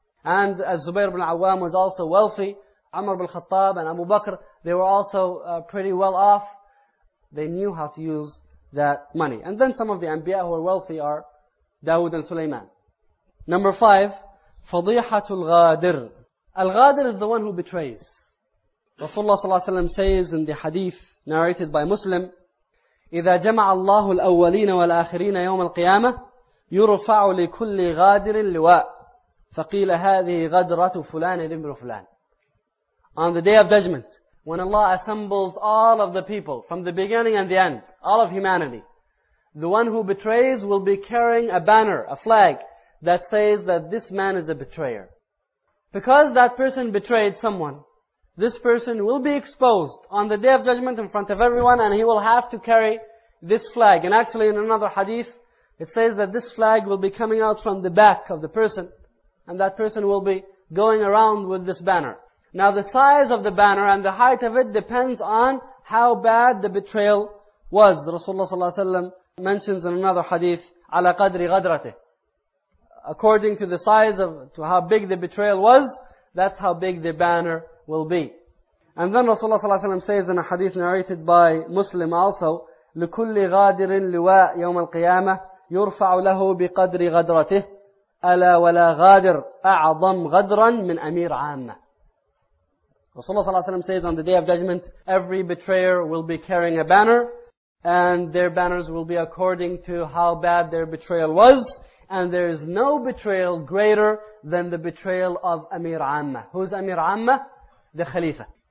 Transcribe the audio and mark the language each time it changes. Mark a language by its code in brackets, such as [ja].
[en] And Zubayr ibn Awam was also wealthy. Umar ibn Khattab and Abu Bakr, they were also pretty well off. They knew how to use that money. And then some of the Anbiya who are wealthy are Dawood and Sulaiman. Number 5, Fadihatul Ghadir. Al-Ghadir is the one who betrays. Rasulullah sallallahu alayhi wa sallam says in the hadith narrated by Muslim, [ar] إِذَا جَمَعَ اللَّهُ الْأَوَّلِينَ وَالْآخِرِينَ يَوْمَ الْقِيَامَةِ يُرُفَعُ لِكُلِّ غَادِرٍ لِوَاءٍ فَقِيلَ هَذِهِ غَدْرَةُ فُلَانِ لِمْرُ فُلَانِ. [en] On the Day of Judgment, when Allah assembles all of the people from the beginning and the end, all of humanity, the one who betrays will be carrying a banner, a flag, that says that this man is a betrayer. Because that person betrayed someone, this person will be exposed on the Day of Judgment in front of everyone and he will have to carry this flag. And actually in another hadith, it says that this flag will be coming out from the back of the person and that person will be going around with this banner. Now the size of the banner and the height of it depends on how bad the betrayal was. Rasulullah sallallahu alayhi wa sallam mentions in another hadith, [ar] عَلَى قَدْرِ غَدْرَتِهِ. [en] According to the size of, to how big the betrayal was, that's how big the banner will be. And then Rasulullah sallallahu alayhi wa sallam says in a hadith narrated by Muslim also, [ar] لِكُلِّ غَادِرٍ لِوَاءِ يَوْمَ الْقِيَامَةِ يُرْفَعُ لَهُ بِقَدْرِ غَدْرَتِهِ أَلَا وَلَا غَادِرٍ أَعْظَمْ غَدْرًا مِنْ أَمِيرَ عَامَةِ. [en] Rasulullah sallallahu alayhi wa sallam says on the Day of Judgment, every betrayer will be carrying a banner, and their banners will be according to how bad their betrayal was. And there is no betrayal greater than the betrayal of Amir Amma. Who's Amir Amma? The Khalifa.